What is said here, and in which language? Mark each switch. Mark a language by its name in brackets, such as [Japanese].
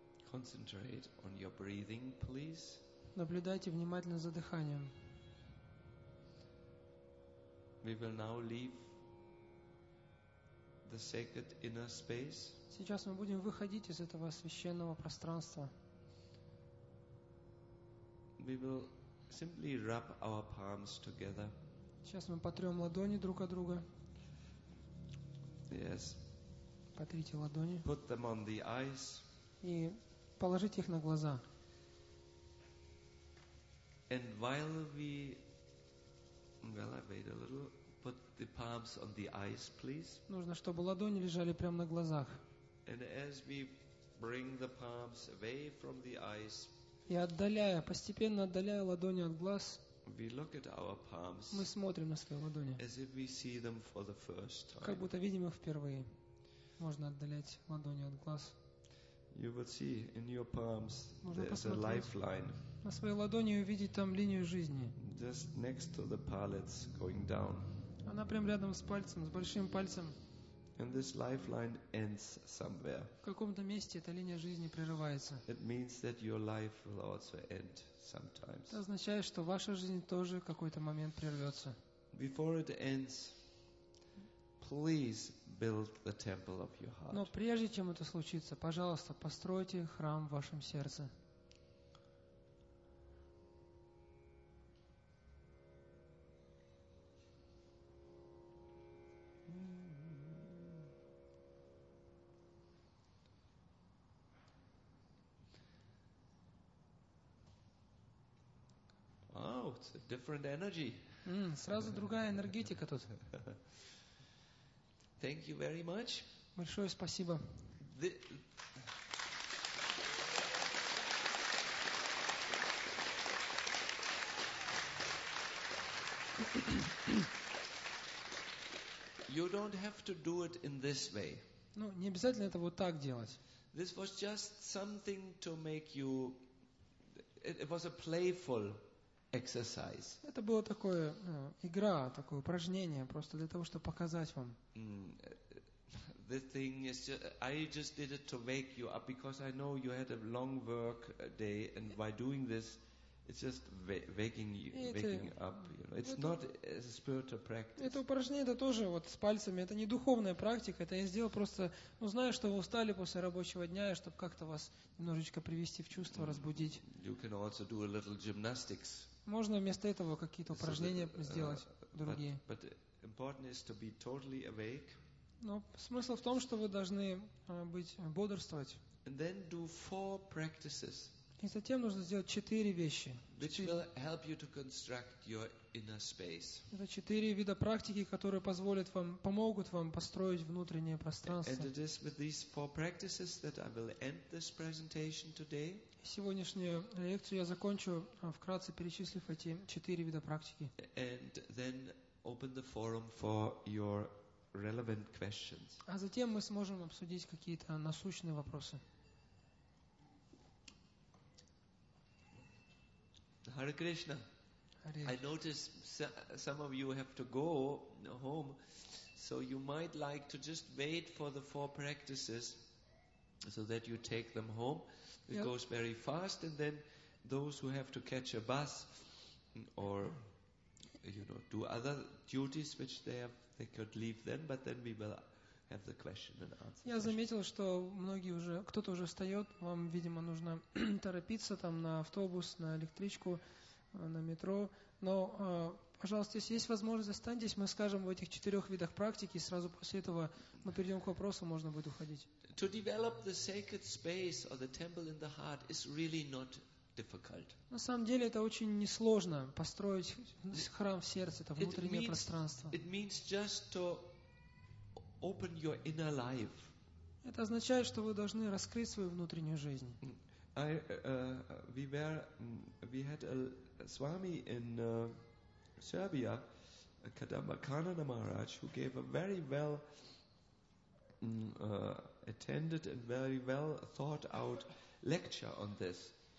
[English] Concentrate on your breathing, please. [Russian] Наблюдайте внимательно за дыханием. [English] We will now leave the sacred inner space. [Russian] Сейчас мы будем выходить из этого священного пространства. [English] We will simply rub our palms together. [Russian] Сейчас мы потрем ладони друг о друга. [English] Yes. [Russian] Потрите ладони. [English] Put them on the eyes. [Russian] И положите их на глаза. [English] And while we, well, I wait a little, put the palms on the eyes, please. [Russian] Нужно, чтобы ладони лежали прямо на глазах. [English] And as we bring the palms away from the eyes, [Russian] и отдаляя, постепенно отдаляя ладони от глаз, [English] we look at our palms, [Russian] мы смотрим на свои ладони, [English] as if we see them for the first time. [Russian] Как будто видим их впервые. Можно отдалять ладони от глаз. [English] You will see in your palms there is a lifeline. [Russian] На своей ладони увидеть там линию жизни. [English] Just next to the palms going down. [Russian] Она прям рядом с пальцем, с большим пальцем. [English] And this lifeline ends somewhere. [Russian] В каком-то месте эта линия жизни прерывается. [English] It means that your life will also end sometimes. [Russian] Это означает, что ваша жизнь тоже в какой-то момент прервется. [English] Before it ends, please build the temple of your heart. [Russian] Но прежде чем это случится, пожалуйста, постройте храм в вашем сердце. [English] Oh, it's a different energy. [Russian] Сразу другая энергетика тут. [English] Thank you very much. [Russian] Большое спасибо. [English] You don't have to do it in this way. [Russian] Ну, не обязательно это вот так делать. [English] This was just something to make you. It was a playful exercise. [Russian] Это было такое игра, такое упражнение, просто для того, чтобы показать вам. [English] The thing is, I just did it to wake you up because I know you had a long work day, and by doing this, it's just waking you, waking up. You know, it's not a spiritual practice. [Russian] Это упражнение, это тоже вот с пальцами. Это не духовная практика. Это я сделал просто, ну, зная, что вы устали после рабочего дня, и чтобы как-то вас немножечко привести в чувство, разбудить. [English] You can also do a little gymnastics. [Russian] Можно вместо этого какие-то упражнения сделать другие. [English] But important is to be totally awake. [Russian] Но смысл в том, что вы должны быть бодрствовать. [English] And then do four practices. [Russian] И затем нужно сделать четыре вещи. [English] Which will help you to construct your inner space. [Russian] Это четыре вида практики, которые позволят вам, помогут вам построить внутреннее пространство. [English] And it is with these four practices that I will end this presentation today. [Russian] Сегодняшнюю лекцию я закончу, вкратце перечислив эти четыре вида практики. [English] And then open the forum for your relevant questions. [Russian] А затем мы сможем обсудить какие-то насущные вопросы. [English] Hare Krishna. I noticed some of you have to go home, so you might like to just wait for the four practices so that you take them home. It goes very fast, and then those who have to catch a bus or do other duties which they have, they could leave then, but then we will have the question and answer. [Russian] Я заметил, что многие уже, кто-то уже встает, вам, видимо, нужно торопиться там на автобус, на электричку, на метро. Но, пожалуйста, если есть возможность, останьтесь, мы скажем в этих четырех видах практики, и сразу после этого мы перейдем к вопросу, можно будет уходить. [English] To develop the sacred space or the temple in the heart is really not difficult. [Russian] На самом деле это очень несложно, построить храм в сердце, это внутреннее пространство. [English] It means just to open your inner life. [Russian] Это означает, что вы должны раскрыть свою внутреннюю жизнь. [English] We had a Swami in Serbia, Kadamba Kanana Maharaj, who gave a very well attended and very well thought out lecture on this.